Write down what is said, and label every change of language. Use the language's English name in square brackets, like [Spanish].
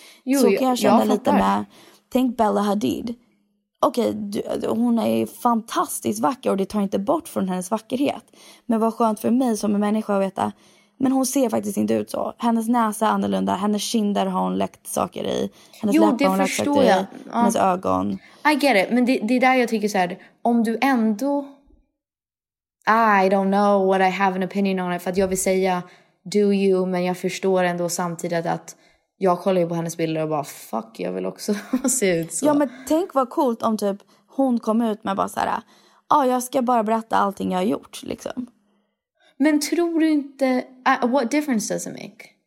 [Swedish] Jo, så kan jag känna lite med tänk Bella Hadid. Okej, hon är fantastiskt vacker och det tar inte bort från hennes vackerhet. Men vad skönt för mig som en människa att veta Men hon ser faktiskt inte ut så. Hennes näsa är annorlunda. Hennes kinder har hon läckt saker i. Hennes läppar har hon läckt saker jag. I. Hennes ögon. [English] I get it. [Swedish] Men det är där jag tycker så här. Om du ändå... [English] I don't know what I have an opinion on it. [Swedish] För att jag vill säga [English] do you. [Swedish] Men jag förstår ändå samtidigt att... Jag kollar ju på hennes bilder och bara fuck, jag vill också se ut så. Ja, men tänk vad coolt om typ hon kom ut med bara så här, jag ska bara berätta allting jag har gjort liksom. Men tror du inte [English] what difference does it make?